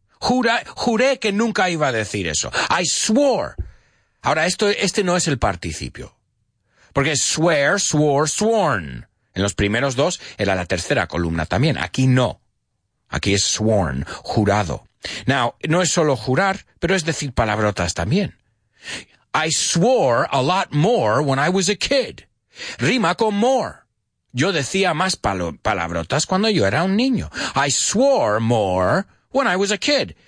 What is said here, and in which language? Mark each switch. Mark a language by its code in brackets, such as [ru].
[es] Juré que nunca iba a decir eso. I swore. Ahora, este no es el participio. Porque swear, swore, sworn. En los primeros dos era la tercera columna también. Aquí no. Aquí es sworn, jurado. Now, no es solo jurar, pero es decir palabrotas también. [en] I swore a lot more when I was a kid. [es] Rima con more. Yo decía más palabrotas cuando yo era un niño. [en] I swore more when I was a kid.